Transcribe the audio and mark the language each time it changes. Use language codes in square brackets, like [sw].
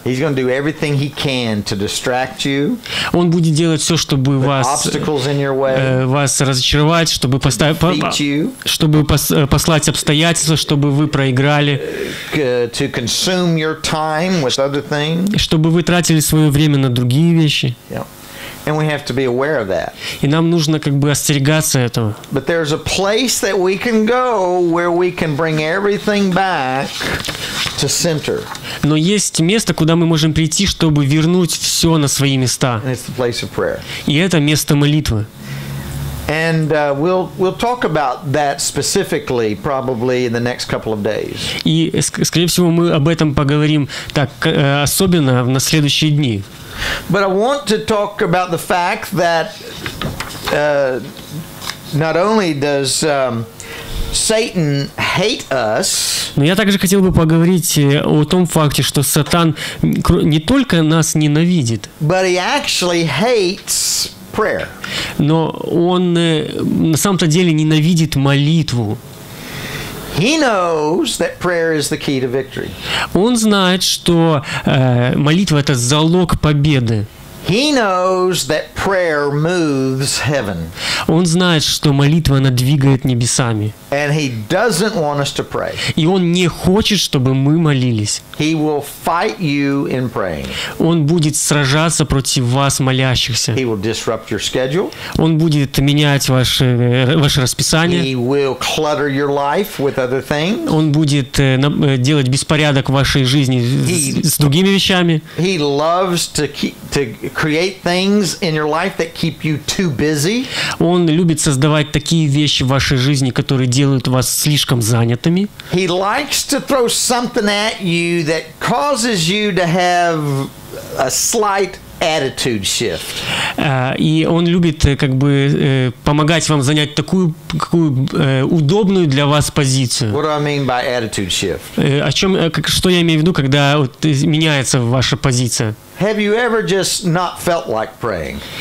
[en] He's going to do everything he can to distract you. [ru] Он будет делать все, чтобы вас, [en] obstacles in your way, [ru] вас разочаровать, чтобы, чтобы послать обстоятельства, чтобы вы проиграли. [en] To consume your time with other things. [ru] Чтобы вы тратили свое время на другие вещи. [en] Yep. And we have to be aware of that. [ru] И нам нужно как бы остерегаться этого. [en] But there's a place that we can go where we can bring everything back to center. [ru] Но есть место, куда мы можем прийти, чтобы вернуть все на свои места. [en] And it's the place of prayer. [ru] И это место молитвы. [en] And we'll talk about that specifically probably in the next couple of days. [ru] И скорее всего мы об этом поговорим так особенно на следующие дни. [en] But I want to talk about the fact that not only does Satan hate us. [ru] Но я также хотел бы поговорить о том факте, что Сатан не только нас ненавидит. [en] But he actually hates prayer. [ru] Но он на самом-то деле ненавидит молитву. [en] He knows that prayer is the key to victory. [ru] Он знает, что молитва это залог победы. [en] He knows that prayer moves heaven. [ru] Он знает, что молитва она двигает небесами. [en] And he doesn't want us to pray. [ru] И он не хочет, чтобы мы молились. [en] He will fight you in praying. [ru] Он будет сражаться против вас молящихся. [en] He will disrupt your schedule. [ru] Он будет менять ваше расписание. [en] He will clutter your life with other things. [ru] Он будет делать беспорядок в вашей жизни с другими вещами. [en] He loves to keep to create things in your life that keep you too busy. [ru] Он любит создавать такие вещи в вашей жизни, которые делают вас слишком занятыми. [en] He likes to throw something at you that causes you to have a slight attitude shift. [ru] И он любит как бы помогать вам занять такую какую удобную для вас позицию. [en] What do I mean by attitude shift? [ru] О чем, что я имею в виду, когда вот меняется ваша позиция? [en] Have you ever just not felt like praying?